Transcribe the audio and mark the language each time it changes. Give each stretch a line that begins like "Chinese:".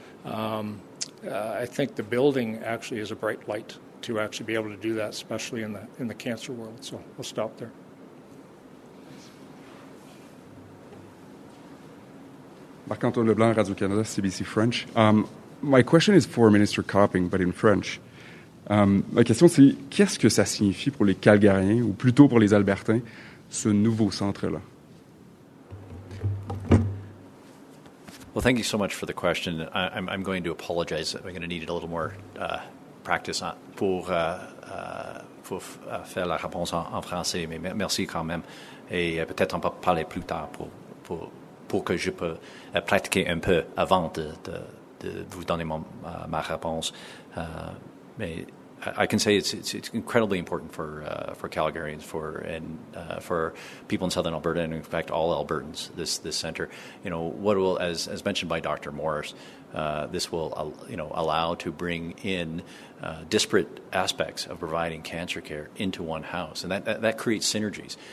English: I think the building actually is a bright light to actually be able to do that, especially in the cancer world. So we'll stop there. Marc-Antoine Leblanc, Radio-Canada, CBC French. My question is for Minister Copping, but in French.
French: Ma question, c'est qu'est-ce que ça signifie pour les Calgariens, ou plutôt pour les Albertains, ce nouveau centre-là?
English: Well, thank you so much for the question. I'm going to apologize. I'm going to need a little more practice
French: pour faire la réponse en français, mais merci quand même. Et peut-être on peut parler plus tard pour que je peux pratiquer un peu avant de vous donner ma réponse.
English: Mais I can say it's incredibly important for Calgarians, for people in Southern Alberta, and in fact all Albertans. This center, you know, what will, as mentioned by Dr. Morris, this will allow to bring in disparate aspects of providing cancer care into one house, and that creates synergies.